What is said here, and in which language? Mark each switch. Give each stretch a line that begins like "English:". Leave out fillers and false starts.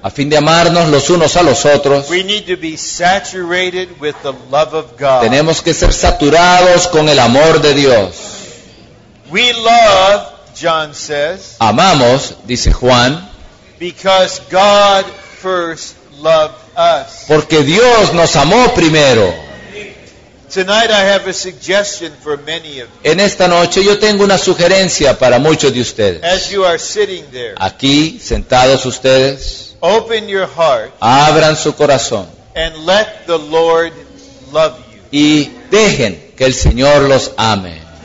Spanish: a fin de amarnos los unos a los otros,
English: we need to be saturated with the love of God.
Spanish: Tenemos que ser saturados con el amor de Dios.
English: We love, John says,
Spanish: amamos, dice Juan,
English: because God first loved us.
Spanish: Porque Dios nos amó primero.
English: Tonight I have a suggestion for many of you.
Spanish: En esta noche yo tengo una sugerencia para muchos de ustedes.
English: As you are sitting there,
Spanish: aquí sentados ustedes,
English: open your heart,
Spanish: abran su corazón,
English: and let the Lord love you.
Spanish: Y dejen que el Señor los ame.